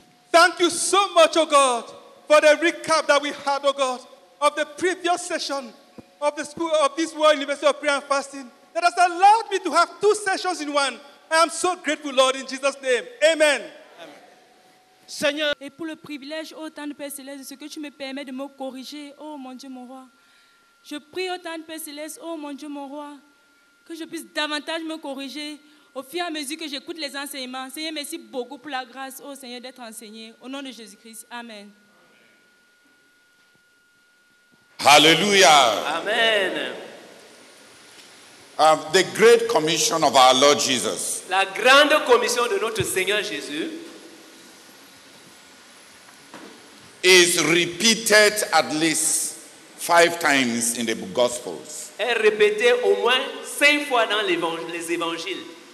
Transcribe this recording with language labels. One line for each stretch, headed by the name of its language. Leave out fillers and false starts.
English: Thank you so much, oh God, for the recap that we had, oh God, of the previous session of the school of this World University of Prayer and Fasting that has allowed me to have two sessions in one. I am so grateful, Lord, in Jesus' name. Amen.
French: Seigneur, et pour le privilège, ô temps de Père Céleste, ce que tu me permets de me corriger, ô mon Dieu, mon roi. Je prie, ô temps de Père Céleste, ô mon Dieu, mon roi, que je puisse davantage me corriger au fur et à mesure que j'écoute les enseignements. Seigneur, merci beaucoup pour la grâce, ô Seigneur, d'être enseigné. Au nom de Jésus-Christ, amen. Hallelujah. Amen.
English: The great commission of our Lord Jesus.
French: La grande commission de notre Seigneur Jésus
English: is repeated at least five times in the Gospels.
French: Est répété au moins cinq fois dans les évangiles.